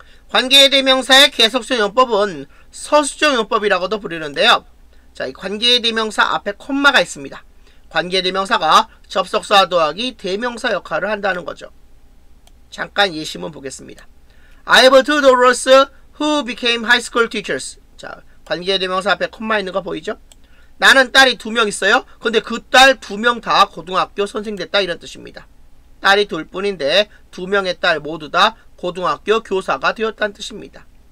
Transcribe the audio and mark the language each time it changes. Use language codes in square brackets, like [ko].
[ko] 관계의 대명사의 계속성 용법은 서술형 용법이라고도 부르는데요. 자, 이 관계의 대명사 앞에 콤마가 있습니다. 관계의 대명사가 접속사 더하기 대명사 역할을 한다는 거죠. 잠깐 예시문 보겠습니다. [en] I have two daughters who became high school teachers. [ko] 자, 관계의 대명사 앞에 콤마 있는 거 보이죠? 나는 딸이 두 명 있어요. 근데 그 딸 두 명 다 고등학교 선생 됐다 이런 뜻입니다. 딸이 둘 뿐인데 두 명의 딸 모두 다 고등학교 교사가 되었다는 뜻입니다.